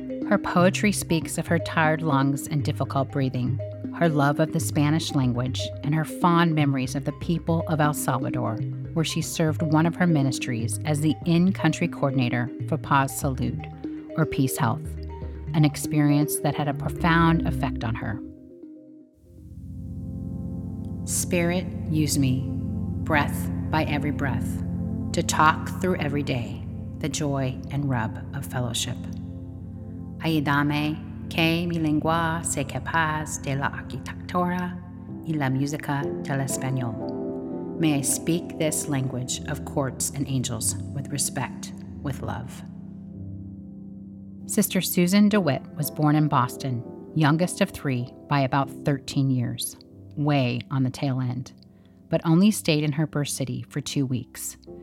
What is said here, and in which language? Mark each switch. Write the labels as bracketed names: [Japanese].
[English] Her poetry speaks of her tired lungs and difficult breathing, her love of the Spanish language, and her fond memories of the people of El Salvador, where she served one of her ministries as the in-country coordinator for Paz Salud, or Peace Health, an experience that had a profound effect on her. Spirit, use me, breath by every breath, to talk through every day the joy and rub of fellowship. [Spanish] Ayúdame. Que mi lengua se capaz de la arquitectura y la música del español. [English] May I speak this language of courts and angels with respect, with love. Sister Susan DeWitt was born in Boston, youngest of three, by about 13 years, way on the tail end, but only stayed in her birth city for 2 weeks.